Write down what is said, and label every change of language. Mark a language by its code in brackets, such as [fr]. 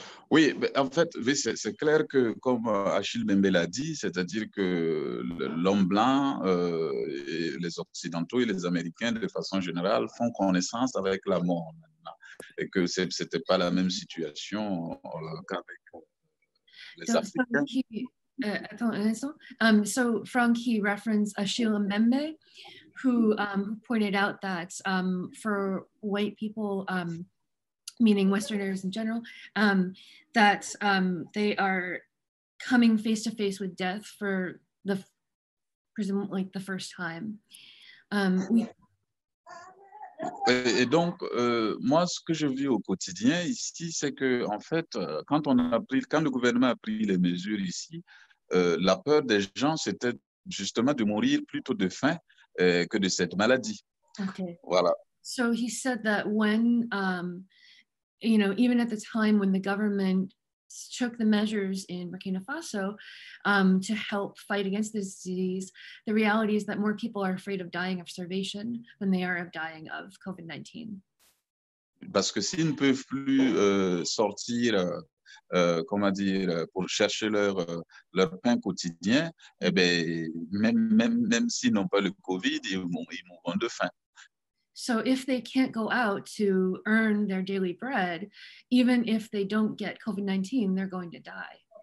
[fr] Oui, en fait, oui, c'est clair que, comme Achille Mbembe l'a dit, c'est-à-dire que l'homme blanc, et les Occidentaux et les Américains, de façon générale, font connaissance avec la mort maintenant, et que ce n'était pas la même situation qu'avec les Africains. [en] So Frankie referenced Achille Mbembe, who pointed out that for white people, meaning Westerners in general, that they are coming face to face with death for the presumably the first time. [fr] Et donc, moi, ce que je vis au quotidien ici, c'est que, en fait, quand le gouvernement a pris les mesures ici, la peur des gens, c'était justement de mourir plutôt de faim que de cette maladie. [en] Okay. [fr] Voilà. [en] So he said that when, even at the time when the government took the measures in Burkina Faso to help fight against this disease, the reality is that more people are afraid of dying of starvation than they are of dying of COVID-19. [fr] Parce que s'ils ne peuvent plus sortir, comment dire, pour chercher leur pain quotidien, eh bien, même s'ils n'ont pas le COVID, ils mourront de faim. [en] So if they can't go out to earn their daily bread, even if they don't get COVID-19, they're going to die.